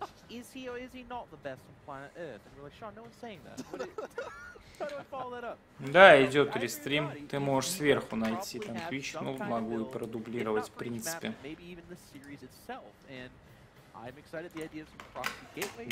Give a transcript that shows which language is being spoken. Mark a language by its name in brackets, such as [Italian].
[English] Is he or is he not the best on planet Earth? And you're like, Sean, no one's saying that. How do I follow that up? [Russian] Да, идет рестрим. Ты можешь сверху найти там Twitch, но могу и продублировать в принципе. [English] Maybe even the series itself. And I'm excited the idea of some proxy gateway.